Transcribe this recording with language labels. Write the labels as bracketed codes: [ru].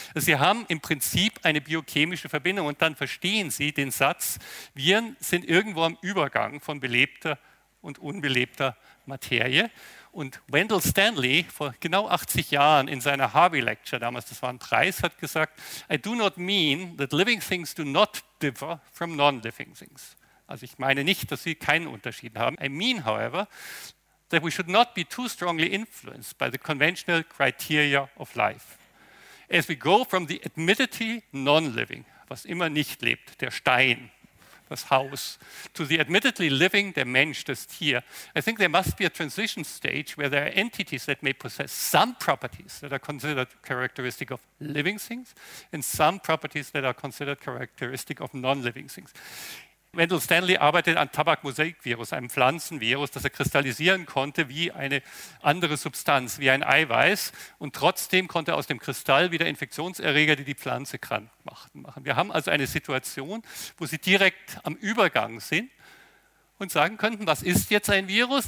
[de] Also Sie haben im Prinzip eine biochemische Verbindung und dann verstehen Sie den Satz, Viren sind irgendwo am Übergang von belebter und unbelebter Materie. Und Wendell Stanley vor genau 80 Jahren in seiner Harvey Lecture, damals das war ein Preis, hat gesagt, [en] I do not mean that living things do not differ from non-living things. [de] Also ich meine nicht, dass sie keinen Unterschied haben. [en] I mean, however, that we should not be too strongly influenced by the conventional criteria of life. As we go from the admittedly non-living, [de] was immer nicht lebt, der Stein, das Haus, [en] to the admittedly living, [de] der Mensch, das Tier, [en] I think there must be a transition stage where there are entities that may possess some properties that are considered characteristic of living things and some properties that are considered characteristic of non-living things. [de] Wendell Stanley arbeitet an Tabakmosaikvirus, einem Pflanzenvirus, das er kristallisieren konnte wie eine andere Substanz, wie ein Eiweiß. Und trotzdem konnte er aus dem Kristall wieder Infektionserreger, die die Pflanze krank machen. Wir haben also eine Situation, wo sie direkt am Übergang sind und sagen könnten, was ist jetzt ein Virus?